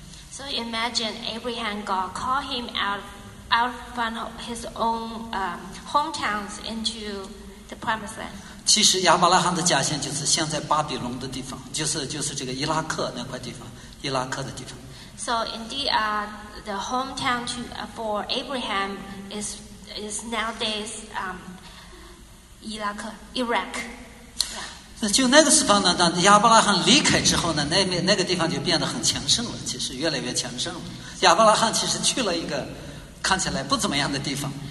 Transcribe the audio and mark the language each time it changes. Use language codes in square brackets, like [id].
[en] So imagine Abraham God call him out from his own hometowns into the promised land. [zh] 其实亚伯拉罕的家乡就是现在巴比伦的地方，就是这个伊拉克那块地方，伊拉克的地方。 [en] So indeed, the hometown for Abraham is nowadays Iraq. [zh] 就那个地方呢，当亚伯拉罕离开之后呢，那个地方就变得很强盛了，其实越来越强盛了。亚伯拉罕其实去了一个看起来不怎么样的地方。